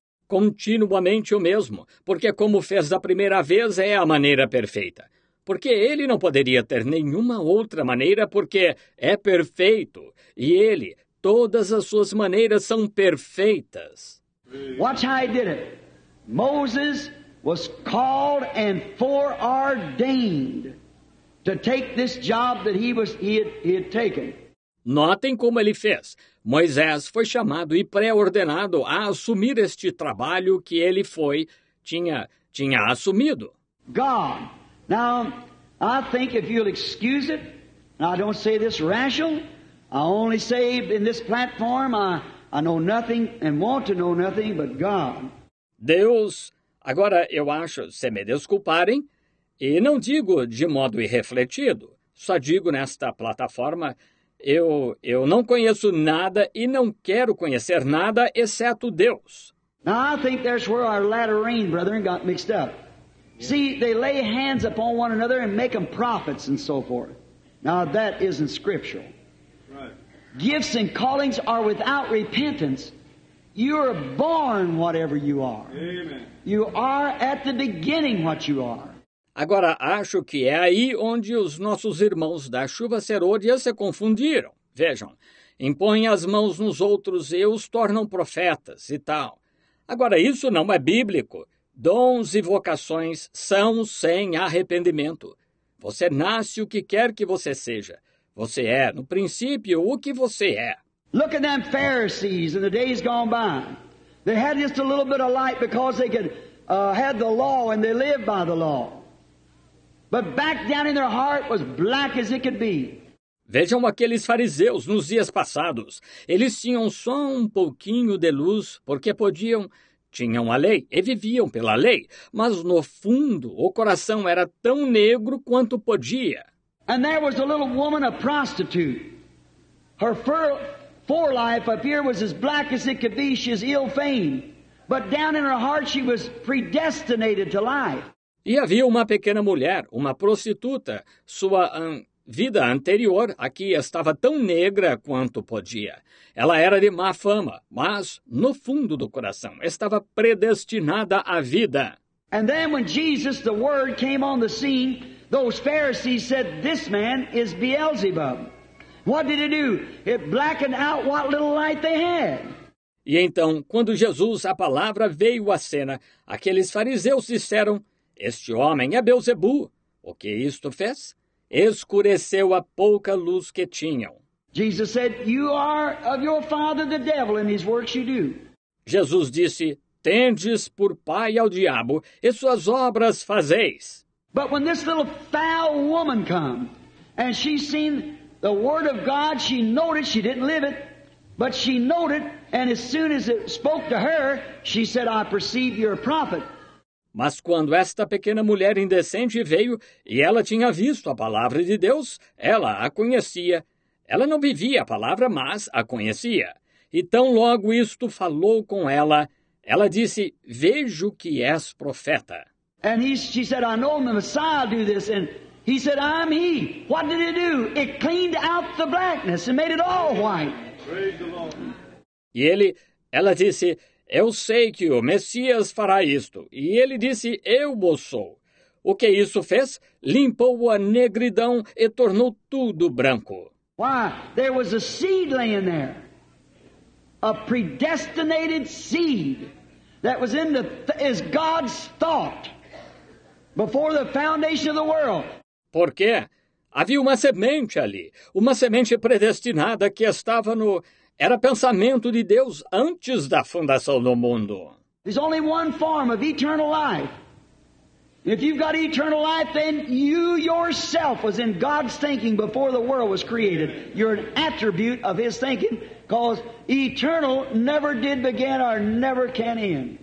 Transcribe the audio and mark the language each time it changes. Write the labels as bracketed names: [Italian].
[Portuguese] Continuamente o mesmo, porque como fez da primeira vez é a maneira perfeita. Porque Ele não poderia ter nenhuma outra maneira, porque é perfeito. E Ele, todas as suas maneiras são perfeitas. [English] Watch how He did it. Moses was called and foreordained to take this job that he had taken. [Portuguese] Notem como Ele fez. Moisés foi chamado e pré-ordenado a assumir este trabalho que Ele foi, tinha assumido. [English] God. Now, I think if you'll excuse it, I don't say this rational, I only say in this platform, I know nothing and want to know nothing but God. [Portuguese] Deus, agora eu acho, se me desculparem, e não digo de modo irrefletido, só digo nesta plataforma, Eu não conheço nada e não quero conhecer nada exceto Deus. [English] Now, I think that's where our latter rain brethren got mixed up. See, they lay hands upon one another and make them prophets and so forth. Now, that isn't scriptural. Right. Gifts and callings are without repentance. You're born whatever you are. Amen. You are at the beginning what you are. [Portuguese] Agora, acho que é aí onde os nossos irmãos da chuva serôdia se confundiram. Vejam, impõem as mãos nos outros e os tornam profetas e tal. Agora, isso não é bíblico. Dons e vocações são sem arrependimento. Você nasce o que quer que você seja. Você é, no princípio, o que você é. [English] Look at them Pharisees in the days gone by. They had just a little bit of light because they could had the law and they lived by the law. But back down in their heart was black as it could be. [Portuguese] Vejam aqueles fariseus nos dias passados. Eles tinham só um pouquinho de luz porque podiam, tinham a lei e viviam pela lei. Mas no fundo, o coração era tão negro quanto podia. [English] And there was a little woman, a prostitute. Her forelife up here was as black as it could be. She is ill-famed. But down in her heart, she was predestinated to life. [Portuguese] E havia uma pequena mulher, uma prostituta, sua vida anterior aqui estava tão negra quanto podia. Ela era de má fama, mas no fundo do coração estava predestinada à vida. [English] And then when Jesus, the word, came on the scene, those Pharisees said, this man is Beelzebub. What did he do? It blackened out what little light they had. [Portuguese] E então, quando Jesus, a palavra, veio à cena, aqueles fariseus disseram, este homem é Beelzebu. O que isto fez? Escureceu a pouca luz que tinham. [English] Jesus said, you are of your father the devil and his works you do. [Portuguese] Jesus disse, tendes por pai ao diabo e suas obras fazeis. [English] But when this little foul woman come and she seen the word of God, she noted, she didn't live it, but she noted, and as soon as it spoke to her, she said, I perceive you're a prophet. [Portuguese] Mas quando esta pequena mulher indecente veio e ela tinha visto a palavra de Deus, ela a conhecia. Ela não vivia a palavra, mas a conhecia. E tão logo isto falou com ela, ela disse, vejo que és profeta. [English] And she said, I know the Messiah will do this. And he said, I'm he. What did it do? It cleaned out the blackness and made it all white. [Portuguese] E ela disse, eu sei que o Messias fará isto. E ele disse, eu o sou. O que isso fez? Limpou a negridão e tornou tudo branco. [English] Why? There was a seed laying there. A predestinated seed that was in the is God's thought before the foundation of the world. [Portuguese] Por quê? Havia uma semente ali, uma semente predestinada que estava no era pensamento de Deus antes da fundação do mundo. [English] There's only one form of eternal life. If you've got eternal life, then you yourself was in God's thinking before the world was created. You're an attribute of His thinking, because eternal never did begin or never can end.